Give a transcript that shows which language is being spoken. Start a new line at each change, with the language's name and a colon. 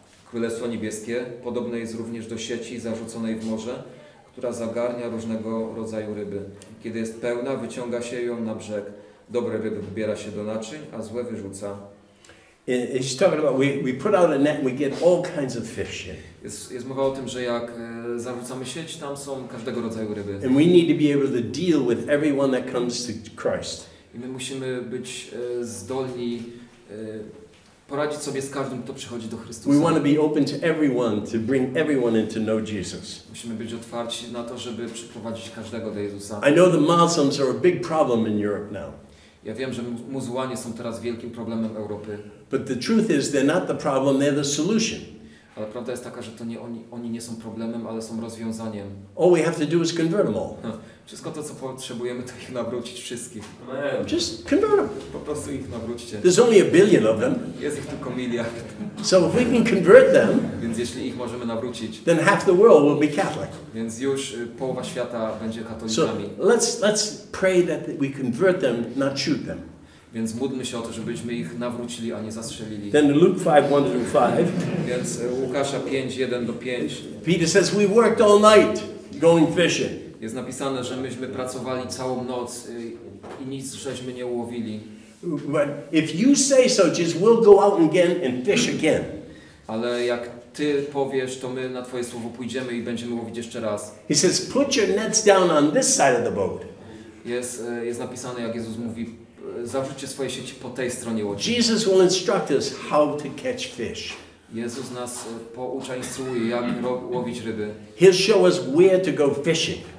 Polish: Królestwo niebieskie podobne jest również do sieci zarzuconej w morze, która zagarnia różnego rodzaju ryby. Kiedy jest pełna, wyciąga się ją na brzeg. Dobre ryby wybiera się do naczyń, a złe wyrzuca.
English: He's talking about we put out a net and we get all kinds of fish in.
Polish: Jest mowa o tym, że jak zarzucamy sieć, tam są każdego rodzaju ryby.
English: And we need to be able to deal with everyone that comes to Christ.
Polish: I my musimy być zdolni poradzić sobie z każdym, kto przychodzi do Chrystusa.
English: We want to be open to everyone, to bring everyone in to know Jesus.
Polish: Musimy być otwarci na to, żeby przyprowadzić każdego do Jezusa.
English: I know the Muslims are a big problem in Europe now.
Polish: Ja wiem, że muzułmanie są teraz wielkim problemem Europy.
English: But the truth is, they're not the problem, they're the solution.
Polish: Ale prawda jest taka, że to nie oni nie są problemem, ale są rozwiązaniem.
English: All we have to do is convert them all.
Polish: Wszystko to, co potrzebujemy, to ich nawrócić wszystkich.
English: Amen. Just convert them.
Polish: Po prostu ich nawróćcie.
English: There's only a billion of them.
Polish: Jest ich tylko miliard.
English: So if we can convert them,
Polish: więc jeśli ich możemy nawrócić,
English: then half the world will be Catholic.
Polish: Więc już połowa świata będzie katolikami.
English: So let's pray that we convert them, not shoot them.
Polish: Więc módlmy się o to, żebyśmy ich nawrócili, a nie zastrzelili.
English: Then Luke 5:1-5.
Polish: Więc Łukasza 5:1-5.
English: Peter says, we worked all night going fishing.
Polish: Jest napisane, że myśmy pracowali całą noc i nic żeśmy nie ułowili.
English: But if you say so, just we'll go out again and fish again.
Polish: Ale jak ty powiesz, to my na twoje słowo pójdziemy i będziemy łowić jeszcze raz.
English: He says, put your nets down on this side of the boat.
Polish: Jest napisane, jak Jezus mówi, zawrzućcie swoje sieci po tej stronie łodzi.
English: Jesus will instruct us how to catch fish.
Polish: Jezus nas poucza, instruuje, jak łowić ryby.
English: He'll show us where to go fishing.